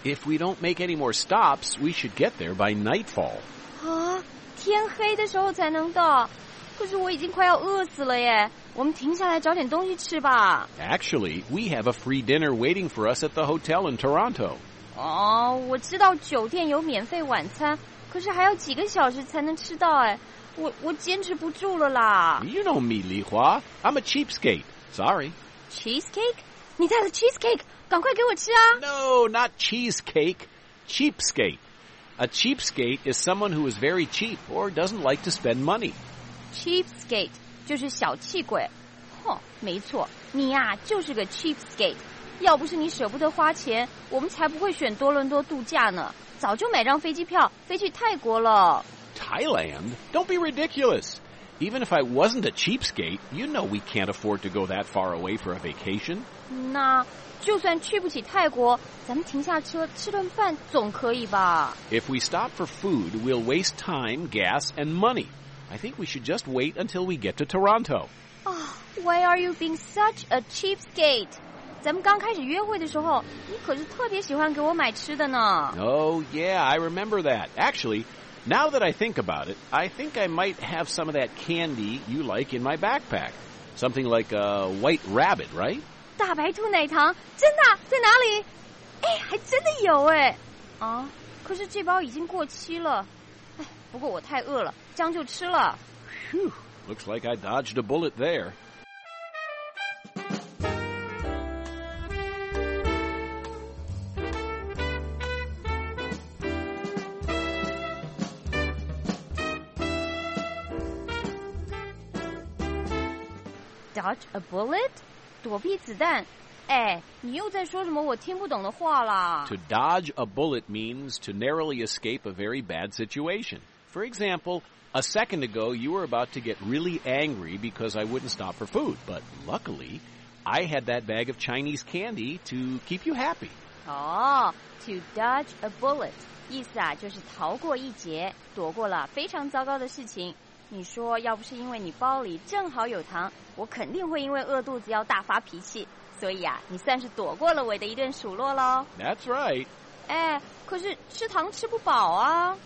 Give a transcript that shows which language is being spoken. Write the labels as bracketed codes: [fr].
[en] If we don't make any more stops, we should get there by nightfall. [zh] 啊，天黑的时候才能到，可是我已经快要饿死了耶，我们停下来找点东西吃吧。 [en] Actually, we have a free dinner waiting for us at the hotel in Toronto. [zh] 哦，我知道酒店有免费晚餐，可是还要几个小时才能吃到哎，我坚持不住了啦。 [en] You know me, Li Hua. I'm a cheapskate. Sorry. [zh] Cheesecake? 你带了 cheesecake? 赶快给我吃啊。 [en] No, not cheesecake. Cheapskate. A cheapskate is someone who is very cheap or doesn't like to spend money. [zh] Cheapskate 就是小气鬼，哼，没错，你呀、啊、就是个 cheapskate。要不是你舍不得花钱，我们才不会选多伦多度假呢，早就买张飞机票飞去泰国了。 [en] Thailand? Don't be ridiculous. Even if I wasn't a cheapskate, you know we can't afford to go that far away for a vacation. [zh] 那就算去不起泰国，咱们停下车吃顿饭总可以吧 [en] ？If we stop for food, we'll waste time, gas, and money. I think we should just wait until we get to Toronto. Oh, why are you being such a cheapskate? [zh] 咱们刚开始约会的时候，你可是特别喜欢给我买吃的呢。 [en] Oh, yeah, I remember that. Actually, now that I think about it, I think I might have some of that candy you like in my backpack. Something like a white rabbit, right? [zh] 大白兔奶糖，真的，在哪里？哎，还真的有哎。啊，可是这包已经过期了。哎，不过我太饿了，将就吃了。 [en] Phew, looks like I dodged a bullet there. Dodge a bullet? [zh] 躲避子弹？哎，你又在说什么我听不懂的话啦 [en] To dodge a bullet means to narrowly escape a very bad situation. For example, a second ago, you were about to get really angry because I wouldn't stop for food. But luckily, I had that bag of Chinese candy to keep you happy. Oh, to dodge a bullet. [zh] 意思啊，就是逃过一劫，躲过了非常糟糕的事情。你说要不是因为你包里正好有糖，我肯定会因为饿肚子要大发脾气。所以啊，你算是躲过了我的一顿数落喽。 [en] That's right. [zh] 哎，可是吃糖吃不饱啊。